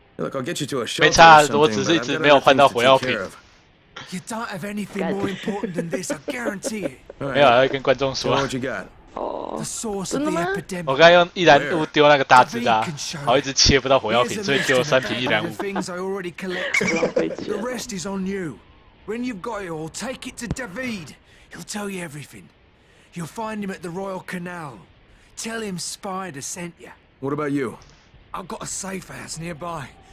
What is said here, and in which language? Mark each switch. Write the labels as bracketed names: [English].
[English] Look, I'll get you to a shop. [Chinese] 没差，我只是一直没有换到火药瓶。 [English] You don't have anything more important than this, I guarantee you. [Chinese] 没有，要跟观众说。哦，真的吗？我刚刚用易燃物丢那个大字啊，好一直切不到火药瓶，所以丢了三瓶易燃物。 [English] The rest is on you. When you've got it all, take it to David. He'll tell you everything. You'll find him at the Royal Canal. Tell him Spider sent you. What about you? I've got a safe house nearby.